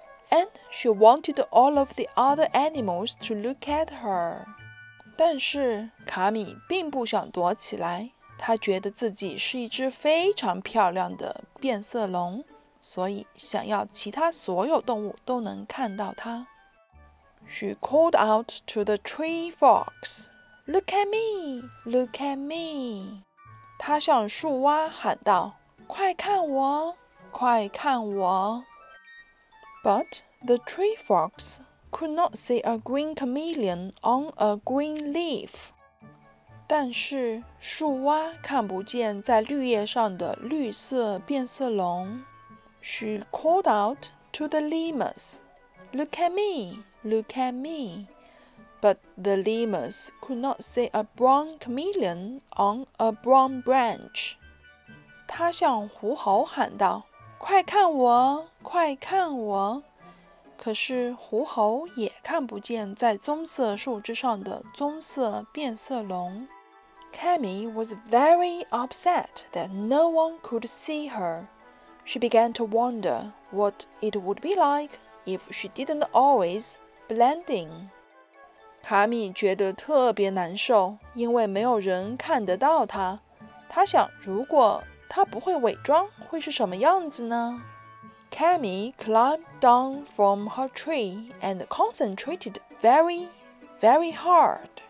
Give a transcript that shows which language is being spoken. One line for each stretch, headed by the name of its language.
English: And she wanted all of the other animals to look at her.
Chinese: 但是卡米并不想躲起来，他觉得自己是一只非常漂亮的变色龙。所以想要其他所有动物都能看到它。
English: She called out to the tree frogs, Look at me, look at me.
Chinese: 她向树蛙喊道，快看我，快看我。
English: But the tree frogs could not see a green chameleon on a green leaf.
Chinese: 但是树蛙看不见在绿叶上的绿色变色龙。
English: She called out to the lemurs, Look at me, look at me. But the lemurs could not see a brown chameleon on a brown branch.
Chinese: 她向狐猴喊道，快看我，快看我。可是狐猴也看不见在棕色树枝上的棕色变色龙。
English: Cammy was very upset that no one could see her. She began to wonder what it would be like if she didn't always blend in.
Chinese: 卡米觉得特别难受，因为没有人看得到她。她想，如果她不会伪装，会是什么样子呢？
English: Cammy climbed down from her tree and concentrated very, very hard.